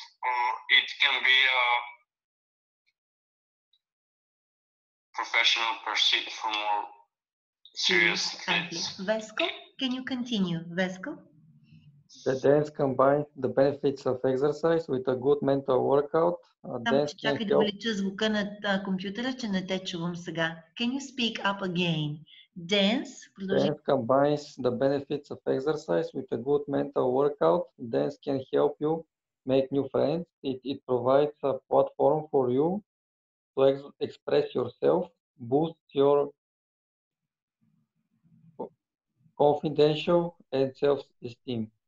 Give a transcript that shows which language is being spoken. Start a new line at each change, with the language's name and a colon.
English: Or it can be a professional pursuit for more serious things. Веско, can you continue? Веско? The dance combines the benefits of exercise with a good mental workout.
Bulgarian: Чакай да увеличи звука на компютъра, че не те чувам сега.
English: Can you speak up again? Dance combines the benefits of exercise with a good mental workout. Dance can help you make new friends. It provides a platform for you to express yourself, boost your confidence and self-esteem.